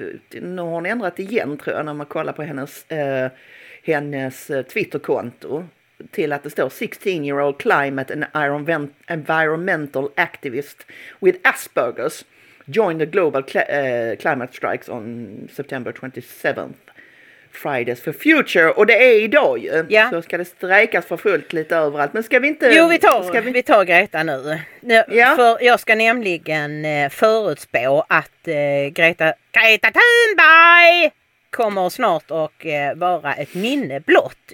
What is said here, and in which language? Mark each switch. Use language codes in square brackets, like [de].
[sv] nu har hon ändrat igen, tror jag, när man kollar på hennes Twitterkonto. Till att det står [en] 16-year-old climate and environmental activist with Asperger's joined the global climate strikes on September 27th, Fridays for Future. [sv] Och det är idag ju. Ja. Så ska det strejkas för fullt lite överallt. Men ska vi inte... Jo, vi tar Greta nu. Ja. För jag ska nämligen förutspå att Greta Thunberg kommer snart och vara ett minne blott.